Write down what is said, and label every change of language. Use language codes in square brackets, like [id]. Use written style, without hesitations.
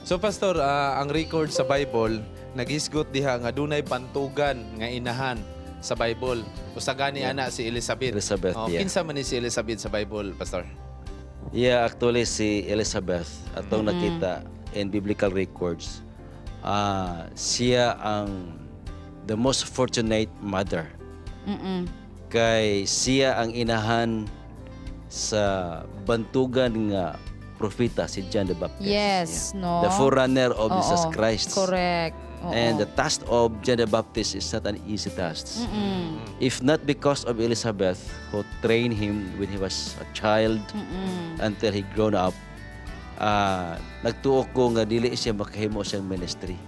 [ceb] So pastor, ang record sa Bible naghisgot diha nga dunay bantugan nga inahan sa Bible. Usa gani ana si Elizabeth. [en] Elizabeth. Oh, yeah. [ceb] Kinsa man ni si Elizabeth sa Bible, pastor? Yeah, actually si Elizabeth atong nakita [en] in biblical records. [ceb] Siya ang [en] the most fortunate mother. Mm-mm. [ceb] Kay siya ang inahan sa bantugan nga propeta si John the Baptist. [en] Yes, no. The forerunner of Jesus Christ. Correct. And the task of John the Baptist is not an easy task. Mm-mm. If not because of Elizabeth who trained him when he was a child, mm-mm, until he grown up, [ceb] nagtuo ko nga dili siya makahimo siyang ministry.